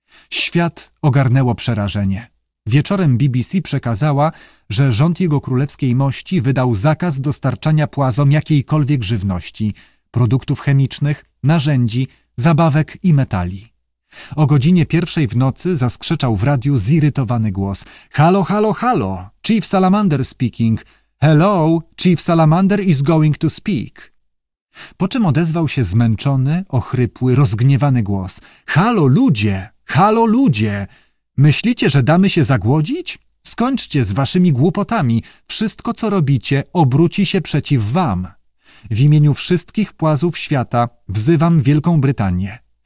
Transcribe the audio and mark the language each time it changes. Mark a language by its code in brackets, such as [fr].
[pl] Świat ogarnęło przerażenie. Wieczorem BBC przekazała, że rząd jego królewskiej mości wydał zakaz dostarczania płazom jakiejkolwiek żywności, produktów chemicznych, narzędzi, zabawek i metali. O godzinie pierwszej w nocy zaskrzeczał w radiu zirytowany głos. Halo, halo, halo! [en] Chief Salamander speaking. Hello! Chief Salamander is going to speak. [pl] Po czym odezwał się zmęczony, ochrypły, rozgniewany głos. Halo, ludzie! Halo, ludzie! Myślicie, że damy się zagłodzić? Skończcie z waszymi głupotami. Wszystko, co robicie, obróci się przeciw wam. W imieniu wszystkich płazów świata wzywam Wielką Brytanię.